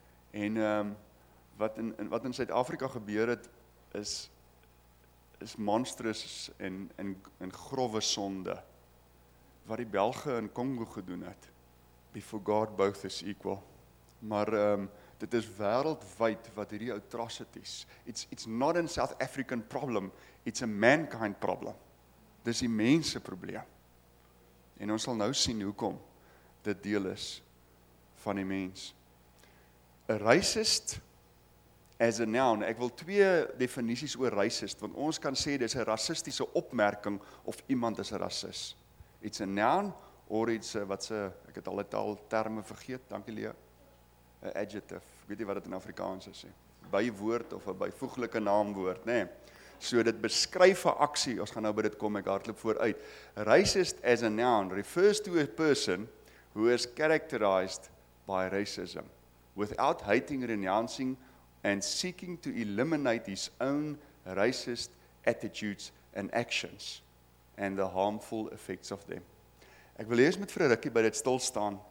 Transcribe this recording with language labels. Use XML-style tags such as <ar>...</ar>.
<af>En wat in Suid-Afrika gebeur het is monstrous en grove sonde wat die Belge in Kongo gedoen het.</af> <en>Before God both is equal.</en> <af>Maar dit is wêreldwyd wat hierdie atrocities.</af> <en>It's not a South African problem, it's a mankind problem.</en> <af>Dis die mense probleem. En ons sal nou sien hoekom dit deel is van die mens.</af> <en>A racist as a noun,</en> <af>ek wil 2 definisies oor racist, want ons kan sê dis 'n rassistiese opmerking of iemand is 'n rassist.</af> <en>It's a noun or it's a,</en> <af>ek het al die taal terme vergeet, dankie Leo. 'N adjective, weet jy wat dit in Afrikaans is? Bywoord of 'n byvoeglike naamwoord, nê? Nee. So dit beskryf 'n aksie, ons gaan nou by dit kom, ek hardloop vooruit.</af> <en>Racist as a noun refers to a person who is characterized by racism, without hating, renouncing, and seeking to eliminate his own racist attitudes and actions and the harmful effects of them.</en> <af>Ek wil eers met vir 'n rukkie by dit stil staan.</af>